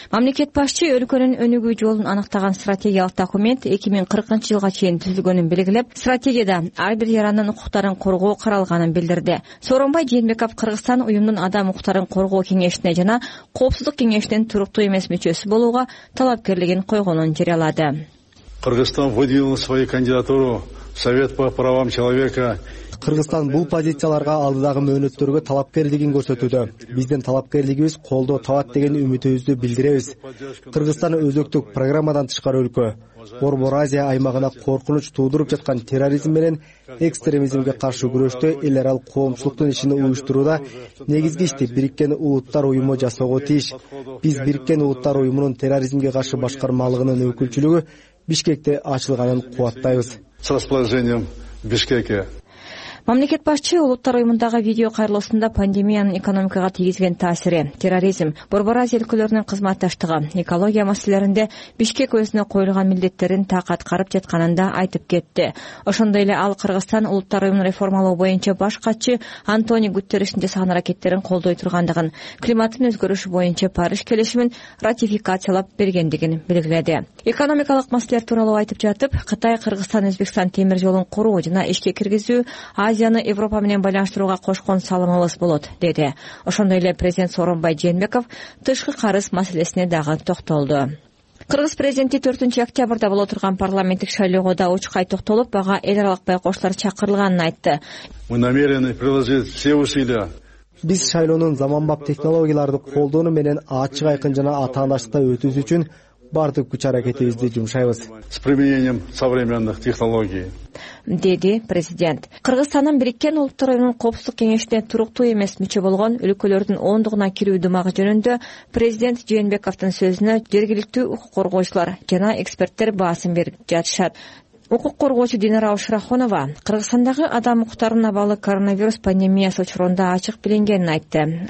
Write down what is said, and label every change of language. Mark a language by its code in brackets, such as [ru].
[ky] Мамлекет башчы өлкөнүн өнүгүү жолун аныктаган стратегиялык документ 2040-жылга чейин түзүлгөнүн белгилеп, стратегияда ар бир жарандын укуктарын коргоо каралганын билдирди. Сооронбай Жээнбеков Кыргызстан уюмунун адам укуктарын коргоо кеңешине жана коопсуздук кеңешинин туруктуу эмес мүчөсү болууга талапкерлигин койгонун жарыялады. [ru] Кыргызстан выдвинул свою кандидатуру в Совет по правам человека. [ky] Кыргызстан бул позицияларга алдыдагы мөөнөттөргө талапкерлигин көрсөтүүдө. Биздин талапкерлигибиз колдоо табат деген үмүтүбүздү билдиребиз. Кыргызстан өзөктүк программадан тышкары өлкө. Борбор Азия аймагына коркунуч туудуруп жаткан терроризм менен экстремизмге каршы күрөштө эл аралык коомчулуктун ишин уюштурууда негизги ишти Бириккен Улуттар Уюму жасоого тийиш. Биз Бириккен Улуттар Уюмунун терроризмге каршы башкармалыгынын өкүлчүлүгү Бишкекте ачылганын кубаттайбыз. [ru] С расположением в Бишкеке. [ky] Мамлекет башчы Улуттар Уюмундагы видео кайрылуусунда пандемиянын экономикага тийгизген таасири, терроризм, Борбор Азия өлкөлөрүнүн кызматташтыгы, экология маселелеринде Бишкек өзүнө коюлган милдеттерин так аткарып жатканын да айтып кетти. Ошондой эле ал Кыргызстан Улуттар Уюмун реформалоо боюнча баш катчы Антони Гуттериштин жасаган аракеттерин колдой тургандыгын, климаттын өзгөрүшү боюнча Париж келишимин ратификациялап бергендигин белгиледи. Экономикалык маселелер тууралуу айтып жатып, Кытай Кыргызстан Өзбекстан темир жолун куруу жана ишке киргизүү Азияны Европа менен байланыштырууга кошкон салымыбыз болот, деди. Ошондой эле президент Сооронбай Жээнбеков тышкы карыз маселесине дагы токтолду. Кыргыз президенти 4-октябрда боло турган парламенттик шайлоого да учкай токтолуп, бага эл аралык байкоочулар чакырылганын айтты. [ru] Мы намерены приложить все усилия. [ky] Биз шайлоонун заманбап технологияларды колдонуу менен ачык, айкын жана атаандаштыкта өтүүсү үчүн бардык күч аракетибизди жумшайбыз. [ru] С применением современных технологий. [ky] Деди президент. Кыргызстандын Бириккен Улуттар Уюмунун коопсуздук кеңешине туруктуу эмес мүчө болгон өлкөлөрдүн ондугуна кирүү дымагы жөнүндө президент Жээнбековдун сөзүнө жергиликтүү укук коргоочулар жана эксперттер баасын берип жатышат. Укук коргоочу Динара Ушрахонова Кыргызстандагы адам укуктарынын абалы коронавирус пандемиясы учурунда ачык билингенин айтты.